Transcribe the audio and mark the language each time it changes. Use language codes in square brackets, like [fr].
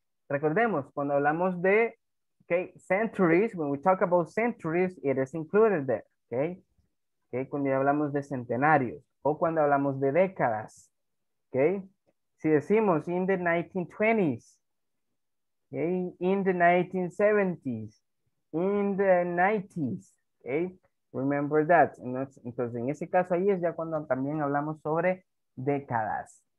[es] Recordemos, cuando hablamos de [en] okay, centuries, when we talk about centuries, it is included there, okay? [es] Okay, cuando ya hablamos de centenarios o cuando hablamos de décadas, okay? Si decimos [en] in the 1920s, okay, in the 1970s, in the 90s, okay? Remember that. [es] Entonces, en ese caso ahí es ya cuando también hablamos sobre décadas.